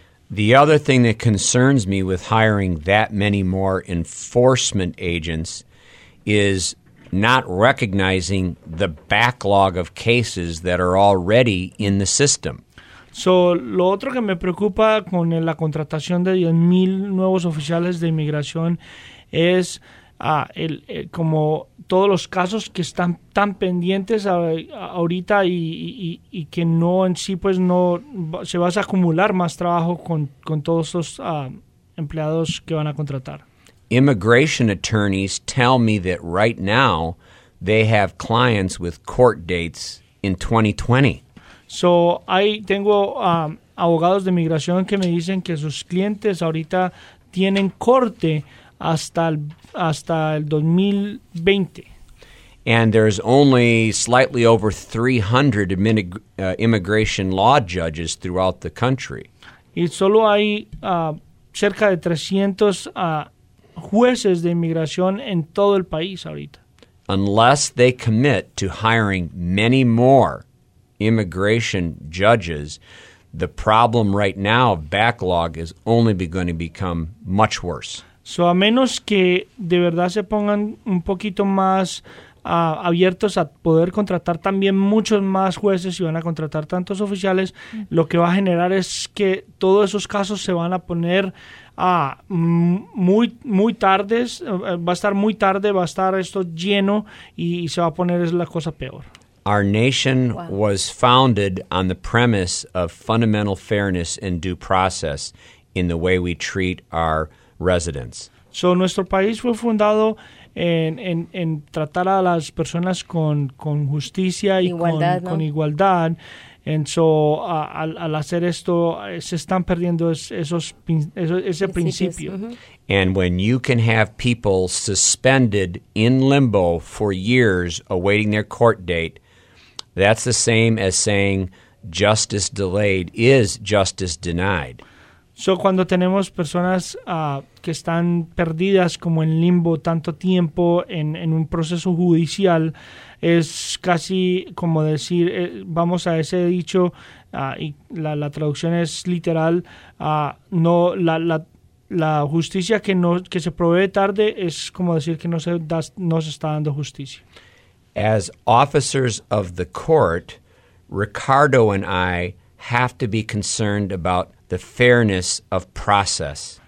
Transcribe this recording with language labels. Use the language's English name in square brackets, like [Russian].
[English] The other thing that concerns me with hiring that many more enforcement agents is not recognizing the backlog of cases that are already in the system. [Spanish] So, lo otro que me preocupa con la contratación de 10,000 nuevos oficiales de inmigración es como todos los casos que están tan pendientes ahorita y que no en sí pues no se va a acumular más trabajo con todos esos empleados que van a contratar. [English] Immigration attorneys tell me that right now they have clients with court dates in 2020. [Spanish] So, abogados de inmigración que me dicen que sus clientes ahorita tienen corte hasta el 2020. [English] And there's only slightly over 300 immigration law judges throughout the country. [Spanish] Y solo hay cerca de 300 jueces de inmigración en todo el país ahorita. [English] Unless they commit to hiring many more immigration judges, the problem right now of backlog is only going to become much worse. [Spanish] So, a menos que de verdad se pongan un poquito más abiertos a poder contratar también muchos más jueces y van a contratar tantos oficiales, lo que va a generar es que todos esos casos se van a poner muy tardes, va a estar esto lleno y se va a poner la cosa peor. [English] Our nation was founded on the premise of fundamental fairness and due process in the way we treat our residents. [Spanish] So, nuestro país fue fundado en tratar a las personas con justicia y igualdad, con, ¿no? con igualdad. [English] And so, [Spanish] al hacer esto, se están perdiendo ese principio. Mm-hmm. [English] And when you can have people suspended in limbo for years awaiting their court date, that's the same as saying justice delayed is justice denied. [Spanish] So, cuando tenemos personas que están perdidas como en limbo tanto tiempo en un proceso judicial, es casi como decir, vamos a ese dicho, y la traducción es literal, no la justicia que se provee tarde es como decir que no se está dando justicia. [English] As officers of the court, Ricardo and I have to be concerned about the fairness of process.